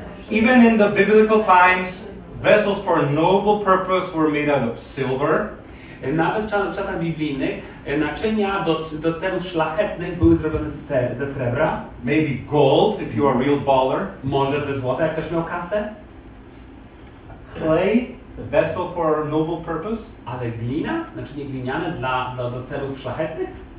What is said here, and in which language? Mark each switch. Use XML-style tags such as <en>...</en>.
<en>Even in the biblical times, vessels for a noble purpose were made out of silver.</en> <pl>Nawet w czasach biblijnych naczynia do celów szlachetnych były zrobione ze srebra.</pl> <en>Maybe gold, if you are a real baller.</en> <pl>Może ze złota, jak ktoś miał kasę.</pl> <en>Clay, vessel for noble purpose.</en> <pl>Ale glina, naczynie gliniane do celów szlachetnych?</pl>